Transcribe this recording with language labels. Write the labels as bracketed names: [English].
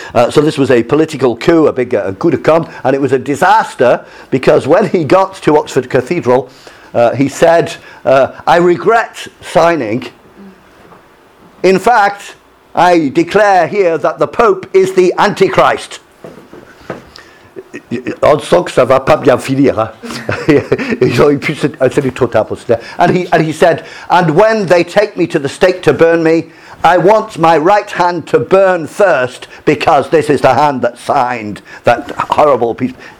[English] So this was a political coup, a big coup de com', and it was a disaster, because when he got to Oxford Cathedral, he said, "I regret signing. In fact, I declare here that the Pope is the Antichrist." [French] On sent que ça va pas bien finir. Ils ont pu se trop tard. [English] And he said, "And when they take me to the stake to burn me, I want my right hand to burn first, because this is the hand that signed that horrible piece."